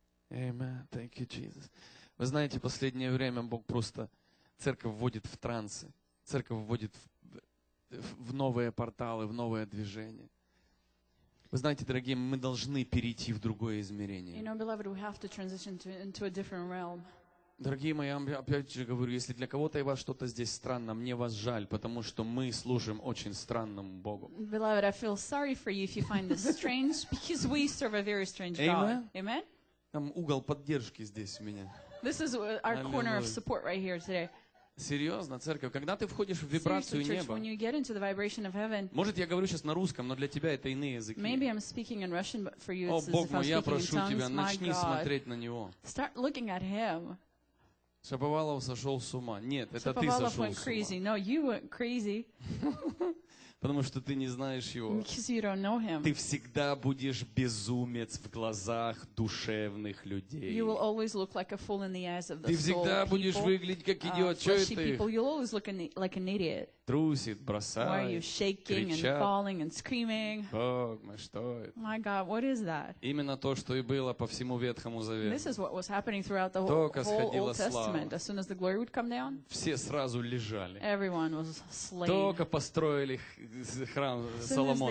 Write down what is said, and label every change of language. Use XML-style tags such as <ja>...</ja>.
<en>Amen. Thank you, Jesus.</en> <ru>Вы знаете, в последнее время Бог просто церковь вводит в трансы, церковь вводит в новые порталы, в новое движение. Вы знаете, дорогие, мы должны перейти в другое измерение.</ru> <en>You know, beloved, we have to transition to, into a different realm.</en> <ru>Дорогие мои, я опять же говорю, если для кого-то и вас что-то здесь странно, мне вас жаль, потому что мы служим очень странному Богу.</ru> <en>Beloved, I feel sorry for you if you find this strange, because we serve a very strange God. Amen. Amen.</en> <ru>Там угол поддержки здесь у меня.</ru> <en>This is our corner of support right here today.</en> <ru>Серьезно, церковь, когда ты входишь в вибрацию</ru> <en>church,</en> <ru>неба,</ru> <en>when you get into the vibration of heaven,</en> <ru>может, я говорю сейчас на русском, но для тебя это иные языки.</ru> <en>Maybe I'm speaking in Russian, but for you it's as if I'm speaking in tongues.</en> <ru>О, Бог мой, я прошу тебя, начни смотреть на Него.</ru> <en>Start looking at Him.</en> <ru>Шаповалов сошел с ума. Нет, это ты сошел с ума. Шаповалов</ru> <en>went crazy. No, you went crazy.</en> <ru>Потому что ты не знаешь Его.</ru> <en>Because you don't know Him.</en> <ru>Ты всегда будешь безумец в глазах душевных людей.</ru> <en>You will always look like a fool in the eyes of the</en> <ru>ты всегда будешь</ru> <en>people.</en> <ru>Выглядеть как идиот. Что это?</ru> <en>You'll always look an, like an idiot.</en> <ru>Трусит, бросает,</ru> <en>why are you shaking</en> <ru>кричат.</ru> <en>And falling and screaming?</en> <ru>Бог мой, что это?</ru> <en>My God, what is that?</en> <ru>Именно то, что и было по всему Ветхому Завету.</ru> <en>This is what was happening throughout the whole Old Testament. As soon as the glory would come down,</en> <ru>все сразу лежали.</ru> <en>Everyone was slain.</en> <ru>Только построили храм Соломон.</ru>